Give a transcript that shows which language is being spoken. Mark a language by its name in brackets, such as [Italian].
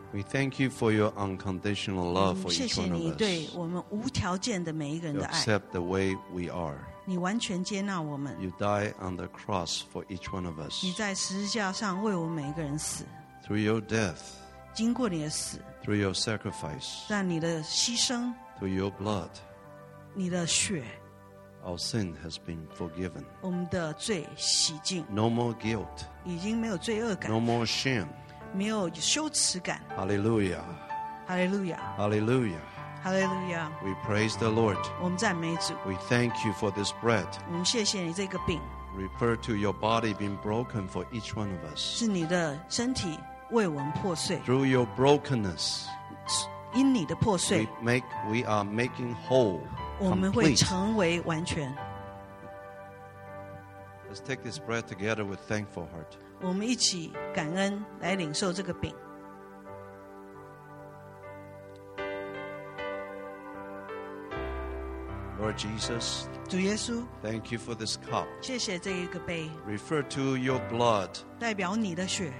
[English] We thank you for your unconditional love for each one of us. [Chinese] 谢谢你对我们无条件的每一个人的爱。 [English] You accept the way we are. [Chinese] 你完全接纳我们。 [English] You die on the cross for each one of us. [Chinese] 你在十字架上为我们每一个人死。 [English] Through your death, [Chinese] 经过你的死。 [English] Through your sacrifice, [Chinese] 让你的牺牲。 [English] Through your blood, [Chinese] 你的血 [English] our sin has been forgiven. [Chinese] 我们的罪洗净 [English] no more guilt, [Chinese] 已经没有罪恶感 [English] no more shame, [Chinese] 没有羞耻感 [English] Hallelujah, Hallelujah. Hallelujah. Hallelujah. We praise the Lord. [Chinese] 我们赞美主。 [English] We thank you for this bread. [Chinese] 我们谢谢你这个饼。 [English] Refer to your body being broken for each one of us. [Chinese] 是你的身体为我们破碎。 [English] Through your brokenness, [Chinese] 因你的破碎 [English] we are making whole. [Chinese] 我们会成为完全。 [English] Let's take this bread together with thankful heart. [Chinese] 我们一起感恩来领受这个饼。 [English] Lord Jesus, [Chinese] 主耶稣, [English] thank you for this cup. [Chinese] 谢谢这一个杯, [English] refer to your blood, [Chinese] 代表你的血,